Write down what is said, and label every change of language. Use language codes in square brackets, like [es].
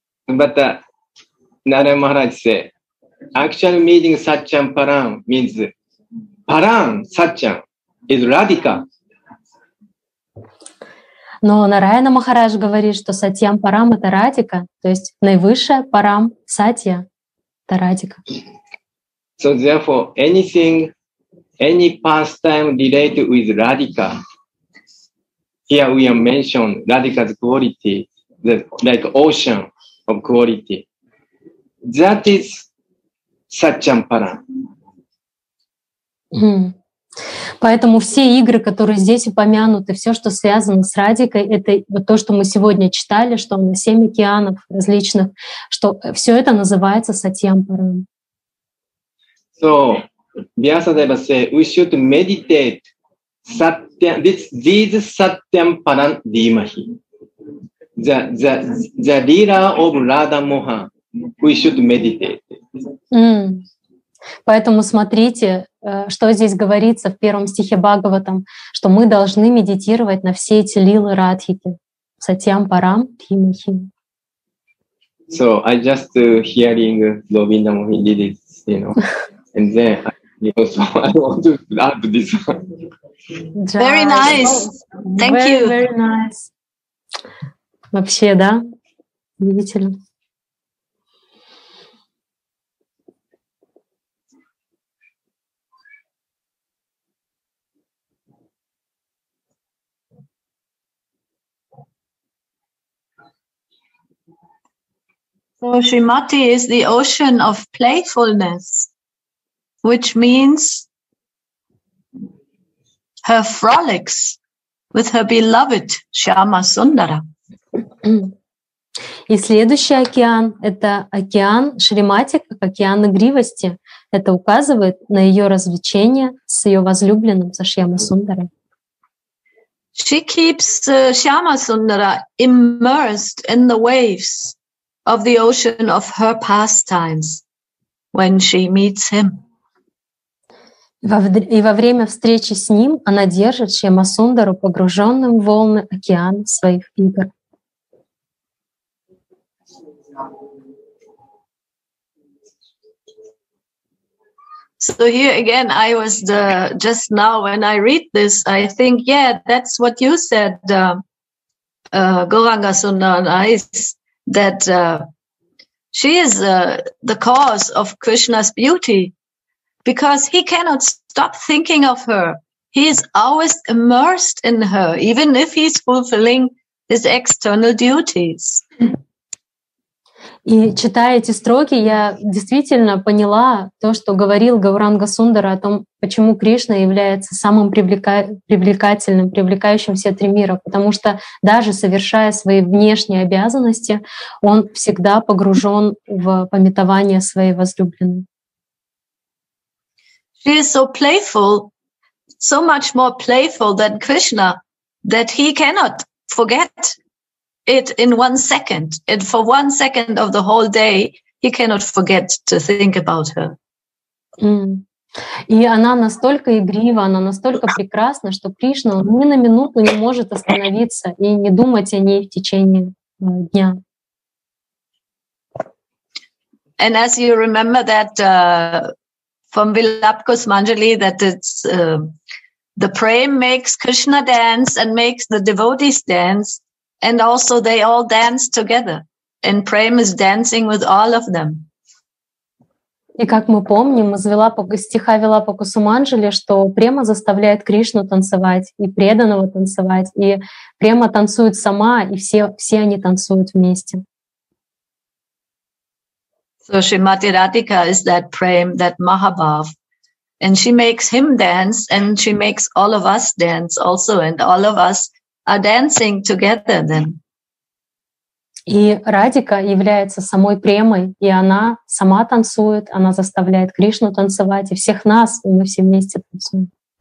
[en] But Narayana Maharaj said, actually meaning Satcham Param means Param Satcham is Radhika. [ru] Но Нараяна Махарадж говорит, что Сатьям Парам — это Радика, то есть наивысшая Парам Сатья — это Радика. [en] So therefore, anything, any pastime related with Radhika. Here we have mentioned Radhika's quality, the like ocean of quality. That is Сатьям Парам. [ru] Поэтому все игры, которые здесь упомянуты, все, что связано с Радикой, это вот то, что мы сегодня читали, что на семь океанов различных, что все это называется Сатьям Парам. [en] So, Vyasadeva said, we should meditate satyam, these satyam param dhimahi. The leader of Radha Mohan, we should meditate. [ru] Поэтому смотрите, что здесь говорится в первом стихе Бхагаватам, что мы должны медитировать на все эти лилы Радхики. [sa] Сатьям парам тхимахи. [en] So I just hearing Govinda Mohan did it, you know, and then I also I want to add this. Very nice. Thank very, you. Very nice. [ru] Вообще, да? Удивительно. [en] So Srimati is the ocean of playfulness, which means her frolics with her beloved Shyama Sundara. [ru] И следующий океан — это океан Шримати, как океан игривости. Это указывает на ее развлечение с ее возлюбленным, со Шьяма Сундарой. [en] She keeps Shyama Sundara immersed in the waves of the ocean of her pastimes when she meets him. [ru] И во время встречи с ним она держит Шьяма Сундару погруженным в волны океана своих игр. [en] So here again, I was just now when I read this, I think, yeah, that's what you said, Gauranga Sundara, that she is the cause of Krishna's beauty because he cannot stop thinking of her. He is always immersed in her, even if he's fulfilling his external duties. [ru] И читая эти строки, я действительно поняла то, что говорил Гауранга Сундара о том, почему Кришна является самым привлекательным, привлекающим все три мира. Потому что даже совершая свои внешние обязанности, он всегда погружен в памятование своей возлюбленной. [en] She is so playful, so much more playful than Krishna, that he cannot forget it in one second, and for one second of the whole day, he cannot forget to think about her. [ru] И она настолько игрива, она настолько прекрасна, что Кришна ни на минуту не может остановиться и не думать о ней в течение дня. [en] And as you remember that from Vilap Kusmanjali, that it's the prema makes Krishna dance and makes the devotees dance. And also they all dance together. And Prem is dancing with all of them. [ru] И как мы помним, из стиха Вилапа Кусуманджали, что Према заставляет Кришну танцевать и преданного танцевать. И Према танцует сама, и все они танцуют вместе. [en] So Shrimati Radhika is that Prem, that Mahabhav. And she makes him dance, and she makes all of us dance also, and all of us are dancing together then. [ru] И Радика является самой премой, и она сама танцует, она заставляет Кришну танцевать, и всех нас, и мы все вместе танцуем.